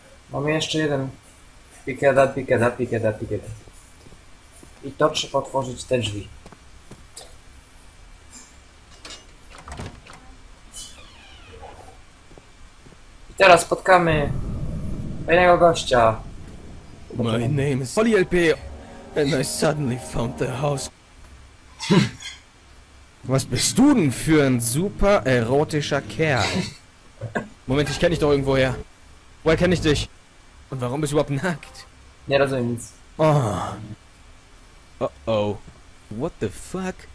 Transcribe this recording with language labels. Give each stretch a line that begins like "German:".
Polish: Mamy jeszcze jeden. Pikada, pikada, pikada, pikada. I to trzeba otworzyć te drzwi. I teraz spotkamy fajnego gościa.
English: My name is Holly LP and I suddenly found the house.
German: Was bist du denn für ein super erotischer Kerl? Moment, ich kenne dich doch irgendwoher. Woher kenne ich dich? Und warum bist du überhaupt nackt?
Polish: Nie rozumiem nic.
English: Oh. Uh-oh. What the fuck?